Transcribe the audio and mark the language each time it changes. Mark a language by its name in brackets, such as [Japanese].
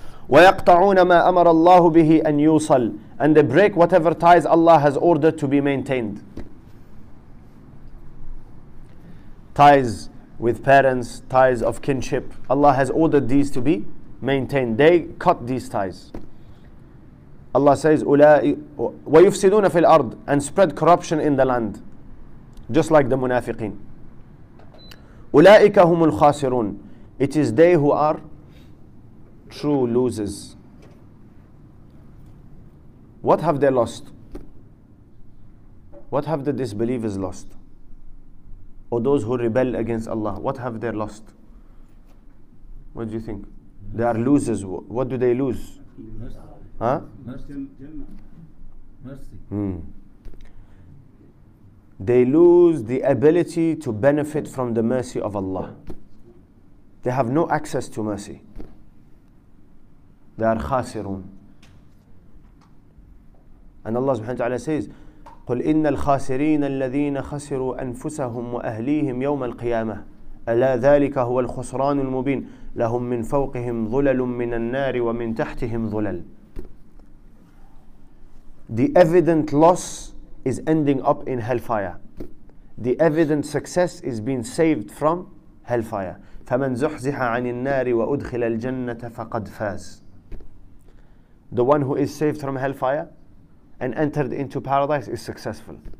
[Arabic] وَيَقْطَعُونَ مَا أَمَرَ اللَّهُ بِهِ أَنْ يُوصَلْ. [English] And they break whatever ties Allah has ordered to be maintained. Ties with parents, ties of kinship. Allah has ordered these to be maintained. They cut these ties. Allah says, [Arabic] وَيُفْسِدُونَ فِي الْأَرْضِ. [English] And spread corruption in the land. Just like the munafiqeen. [Arabic] أُولَٰئِكَ هُمُ الْخَاسِرُونَ. [English] It is they who are true losers. What have they lost? What have the disbelievers lost? or those who rebel against Allah, what have they lost? What do you think? They are losers. What do they lose? Mercy. Huh? Mercy. Hmm. They lose the ability to benefit from the mercy of Allah. They have no access to mercy. They are khasirun. And Allah subhanahu wa ta'ala says, [Arabic] قُلْ إِنَّ الْخَاسِرِينَ الَّذِينَ خَسِرُوا أَنفُسَهُمْ وَأَهْلِيهِمْ يَوْمَ الْقِيَامَةِ أَلَا ذَلِكَ هُوَ الْخُسْرَانُ الْمُبِينَ لَهُمْ مِنْ فَوْقِهِمْ ظُلَلٌ مِنَ النَّارِ وَمِنْ تَحْتِهِمْ ظُلَلٌ. [English] The evident loss is ending up in hellfire. The evident success is being saved from hellfire. [Arabic] فَمَنْ زُحْزِحَ عَنِ النَّارِ وَأُدْخِلَ الْجَنَّةَ فَقَدْ فَازَ. [English] The one who is saved from hellfire and entered into paradise is successful.